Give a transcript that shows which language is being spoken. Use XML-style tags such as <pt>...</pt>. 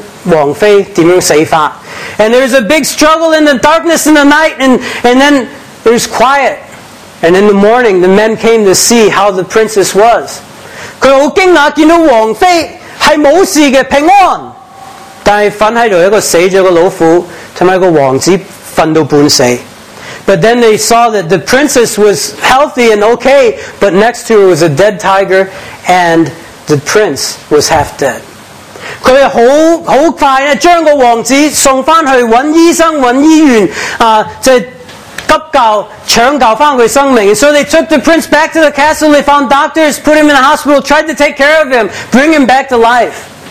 <zh>第二天人来要看王妃怎样死法,</zh> <en>and there was a big struggle in the darkness in the night, and then it was quiet, and in the morning the men came to see how the princess was.</en> <zh>他很惊讶见到王妃是没事的平安, 但是躺在这里一个死了的老虎和一个王子躺到半死,</zh> <en>but then they saw that the princess was healthy and okay, but next to her was a dead tiger and the prince was half dead.</en> <zh>他很快将王子送回去找医生找医院急救抢救回他生命,</zh> <en>so they took the prince back to the castle, they found doctors, put him in the hospital, tried to take care of him, bring him back to life.</en>